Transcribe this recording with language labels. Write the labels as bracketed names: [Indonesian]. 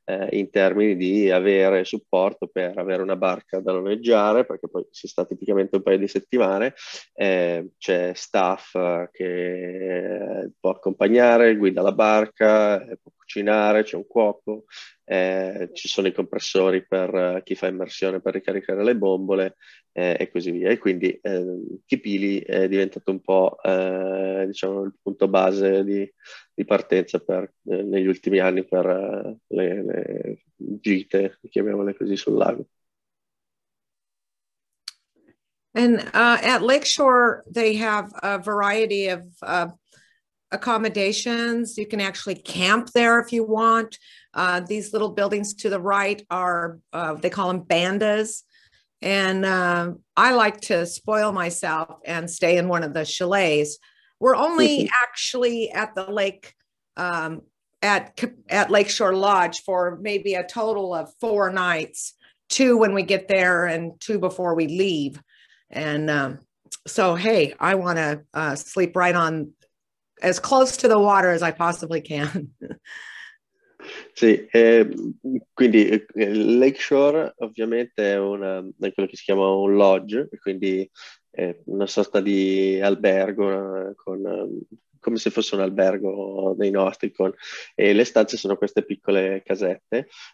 [Italian] in termini di avere supporto per avere una barca da noleggiare, perché poi si sta tipicamente un paio di settimane, c'è staff che può accompagnare, guida la barca, può cucinare, c'è un cuoco, ci sono i compressori per chi fa immersione per ricaricare le bombole, e così via. E quindi Kipili è diventato un po' diciamo il punto base di partenza per negli ultimi anni per le gite, chiamiamole così, sul lago. [English] And at Lakeshore they have a variety of accommodations. You can actually camp there if you want. These little buildings to the right are they call them bandas. And I like to spoil myself and stay in one of the chalets. We're only actually at the lake, at Lakeshore Lodge for maybe a total of 4 nights, 2 when we get there and 2 before we leave. And so, hey, I want to sleep right on as close to the water as I possibly can. [Italian] Sì, quindi Lakeshore ovviamente è quello che si chiama un lodge, quindi è una sorta di albergo, come se fosse un albergo dei nostri, e le stanze sono queste piccole casette.